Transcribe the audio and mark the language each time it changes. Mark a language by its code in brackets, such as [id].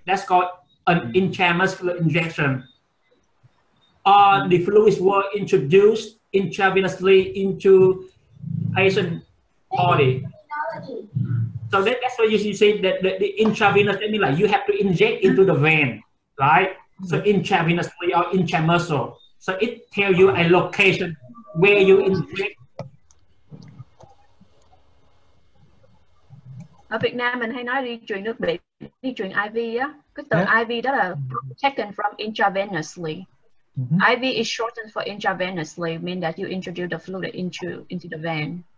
[en] That's called an intramuscular injection. The fluids were introduced intravenously into patient body. So that's why you say that the intravenous, that means like you have to inject into the vein, right? So intravenously or intramuscular. So it tells you a location where you inject. [vi] Ở Việt Nam mình hay nói đi truyền nước biển, đi truyền IV á. Cái từ IV đó là [en] taken from intravenously. [vi] Mm-hmm. [en] IV is shortened for intravenously, mean that you introduce the fluid into the vein.